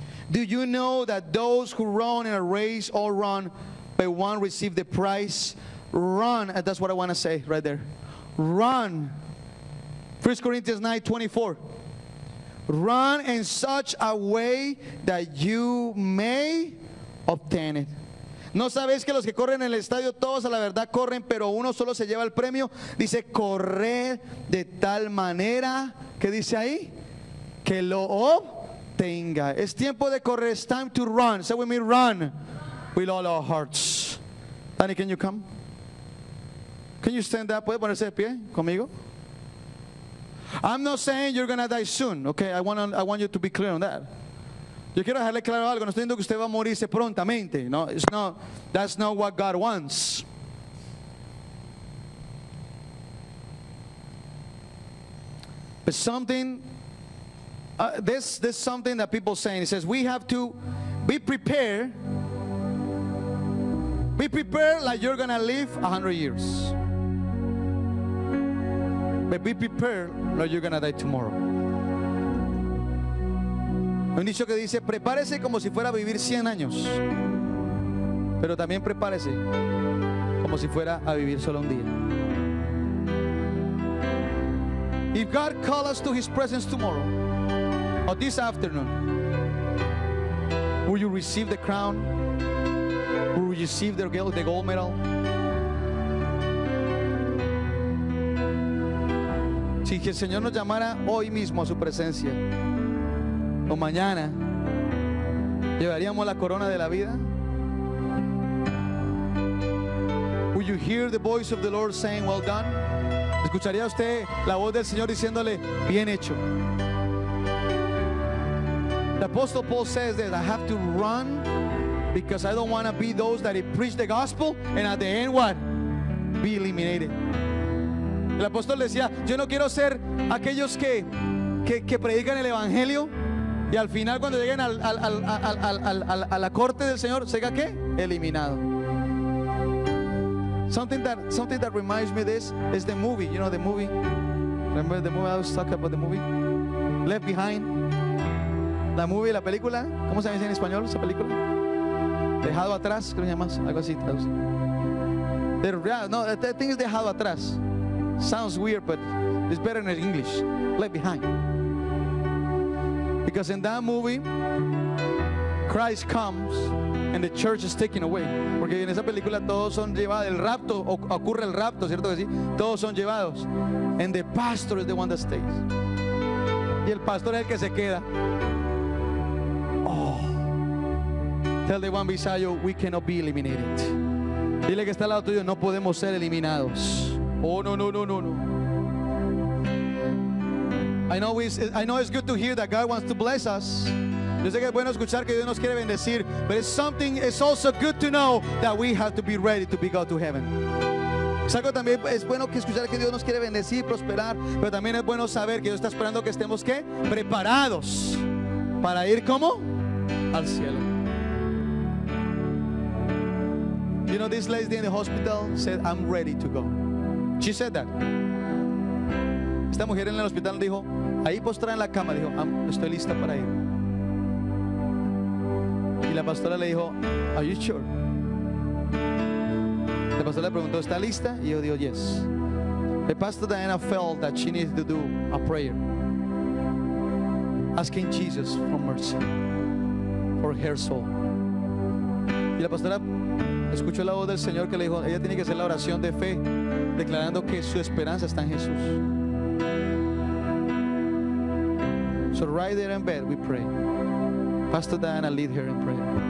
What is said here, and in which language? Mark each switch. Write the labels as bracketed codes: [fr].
[en] Do you know that those who run in a race all run, but one receive the prize? Run. And that's what I want to say right there. Run. 1 Corinthians 9:24. Run in such a way that you may obtain it. [es] ¿No sabéis que los que corren en el estadio todos a la verdad corren, pero uno solo se lleva el premio? Dice, correr de tal manera, ¿qué dice ahí? Que lo obtenga. Es tiempo de correr. [en] It's time to run. Say with me, run with all our hearts. Danny, can you come? Can you stand up? [es] ¿Puede ponerse de pie conmigo? [en] I'm not saying you're going to die soon, okay? I want you to be clear on that. [es] Yo quiero dejarle claro algo. No estoy diciendo que usted va a morirse prontamente. [en] No, it's not. That's not what God wants. But something, there's something that people saying. It says we have to be prepared. Be prepared like you're going to live 100 years. But be prepared or you're going to die tomorrow. [es] Un dicho que dice, prepárese como si fuera a vivir 100 años, pero también prepárese como si fuera a vivir solo un día. [en] If God calls us to his presence tomorrow or this afternoon, will you receive the crown? Will you receive the gold medal? [es] Si el Señor nos llamara hoy mismo a su presencia, o mañana, ¿llevaríamos la corona de la vida? [en] Would you hear the voice of the Lord saying, well done? [es] ¿Escucharía usted la voz del Señor diciéndole, bien hecho? [en] The Apostle Paul says that I have to run because I don't want to be those that he preached the gospel and at the end what? Be eliminated. [es] El apóstol decía, yo no quiero ser aquellos que predican el evangelio y al final cuando lleguen a la corte del Señor, ¿sega qué? Eliminado. [en] Something that reminds me this is the movie, you know the movie. Remember the movie I was talking about the movie? Left Behind. [es] La movie, la película, ¿cómo se dice en español esa película? Dejado atrás, creo que se llama, algo así traduce. [en] The thing is dejado atrás. Sounds weird, but it's better in English. Left Behind. Because in that movie, Christ comes and the church is taken away. [es] Porque en esa película todos son llevados. El rapto, ocurre el rapto, ¿cierto que sí? Todos son llevados. [en] And the pastor is the one that stays. [es] Y el pastor es el que se queda. Oh. [en] Tell the one beside you, we cannot be eliminated. [es] Dile que está al lado tuyo, no podemos ser eliminados. [en] Oh, no. I know it's good to hear that God wants to bless us. [es] Yo sé que es bueno escuchar que Dios nos quiere bendecir. [en] But it's also good to know that we have to be ready to be God to heaven. [es] Es algo también, es bueno que escuchar que Dios nos quiere bendecir, prosperar. Pero también es bueno saber que Dios está esperando que estemos, ¿qué? Preparados para ir, ¿cómo? Al cielo. [en] You know, this lady in the hospital said, I'm ready to go. She said that. [es] Esta mujer en el hospital dijo, ahí postrada en la cama, dijo, estoy lista para ir. Y la pastora le dijo, [en] are you sure? [es] La pastora le preguntó, ¿está lista? Y yo dijo, yes. [en] The pastor Diana felt that she needed to do a prayer, asking Jesus for mercy for her soul. [es] Y la pastora escuchó la voz del Señor que le dijo, ella tiene que hacer la oración de fe, declarando que su esperanza está en Jesús. [en] So right there in bed we pray. Pastor Diana lead her in prayer.